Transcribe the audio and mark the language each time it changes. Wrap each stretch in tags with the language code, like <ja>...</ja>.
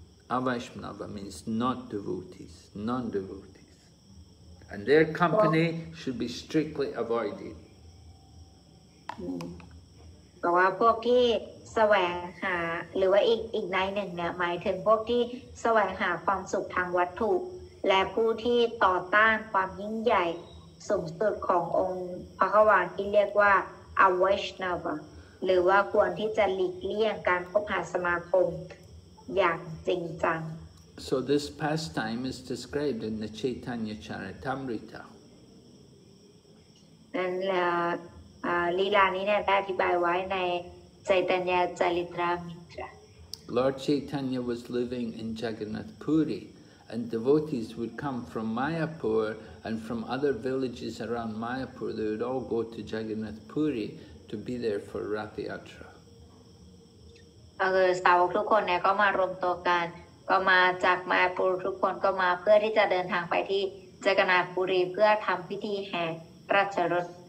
<en>Avaishnava means not devotees, non-devotees. And their company should be strictly avoided.</en> <th>บอกว่าพวกที่แสวงหาหรือว่าอีกในหนึ่งเนี่ยหมายถึงพวกที่แสวงหาความสุขทางวัตถุและผู้ที่ต่อต้านความยิ่งใหญ่สูงสุดขององค์พระควานที่เรียกว่าอเวชนาวะหรือว่าควรที่จะหลีกเลี่ยงการคบหาสมาคมอย่างจริงจัง</th> <en>So this pastime is described in the Chaitanya Charitamrita</en> <th>นั่นแหละลีลานี้เนี่ยได้อธิบายไว้ในไชตัญญาจริตรามิตร</th> <en>Lord Chaitanya was living in Jagannath Puri and devotees would come from Mayapur and from other villages around Mayapur they would all go to Jagannath Puri to be there for Rath Yatra</en> <th>สาวกทุกคนเนี่ยก็มารวมตัวกันก็มาจากมายาปุรทุกคนก็มาเพื่อที่จะเดินทางไปที่จักรนาถปุรีเพื่อทำพิธีแห่ราชรถ</th>